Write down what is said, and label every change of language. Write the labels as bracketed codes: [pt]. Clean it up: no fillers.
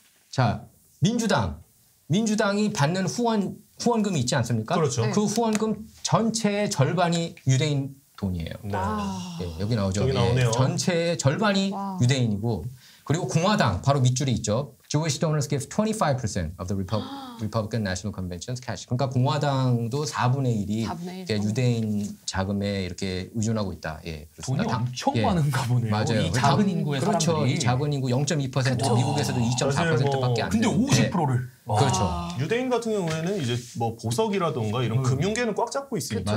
[ko] 자 민주당이 받는 후원금이 있지 않습니까? 그렇죠. 그 후원금 전체의 절반이 유대인. 돈이에요. 네. 네, 여기 나오죠. 여기 나오네요. 예, 전체의 절반이 유대인이고 그리고 공화당 바로 밑줄이 있죠. [en] Jewish donors give 25% of the Republican National Convention's cash. [ko] 그러니까 공화당도 4분의 1이 유대인 자금에 이렇게 의존하고 있다. 예, 돈이 엄청 예. 많은가 보네요. 맞아요. 이 작은 인구의 그렇죠. 사람들이. 이 작은 인구 0.2% 그쵸. 미국에서도 2.4%밖에 안 되는데. 근데 50%를. 와. 그렇죠. 유대인 같은 경우에는 이제 뭐 보석이라든가 이런 금융계는 꽉 잡고 있으니까.